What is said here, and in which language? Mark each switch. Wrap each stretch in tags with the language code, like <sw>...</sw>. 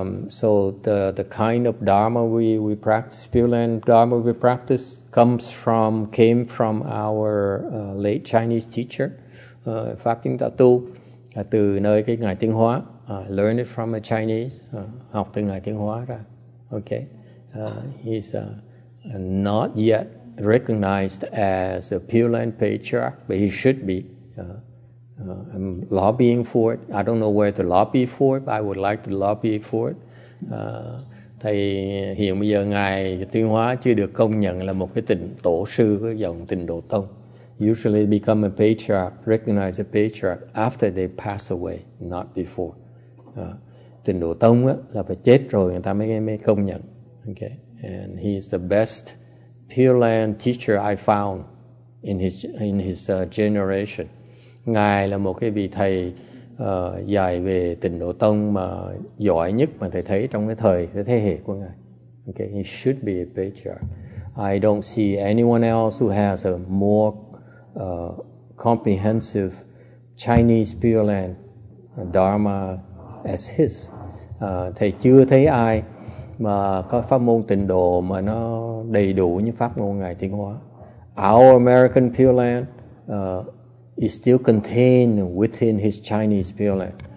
<en>So the kind of Dharma we practice, Pure Land Dharma we practice, came from our late Chinese teacher.</en> <vi>Pháp chúng ta tu từ nơi cái ngài tiếng hóa,</vi> <en>learn it from a Chinese,</en> <vi>học từ ngài tiếng hóa ra.</vi> <en>Okay, he's not yet recognized as a Pure Land patriarch, but he should be. I'm lobbying for it. I don't know where to lobby for it, but I would like to lobby for it.</en> <vi>Thầy hiện bây giờ ngài tiếng hóa chưa được công nhận là một cái tịnh tổ sư của dòng tịnh độ tông.</vi> <en>Usually become a patriarch, recognize a patriarch after they pass away, not before.</en> <vi>Tịnh độ tông á là phải chết rồi người ta mới công nhận.</vi> <en>Okay, and he is the best Pure Land teacher I found in his generation.</en> <vi>Ngài là một cái vị thầy dạy về tịnh độ tông mà giỏi nhất mà thầy thấy trong cái thế hệ của ngài.</vi> <en>Okay, he should be a patriarch. I don't see anyone else who has a more comprehensive Chinese Pure Land Dharma as his.</en> <vi>Thầy chưa thấy ai mà có pháp môn tịnh độ mà nó đầy đủ như pháp môn ngài tiến hóa.</vi> <en>Our American Pure Land is still contained within his Chinese Pure Land.</en>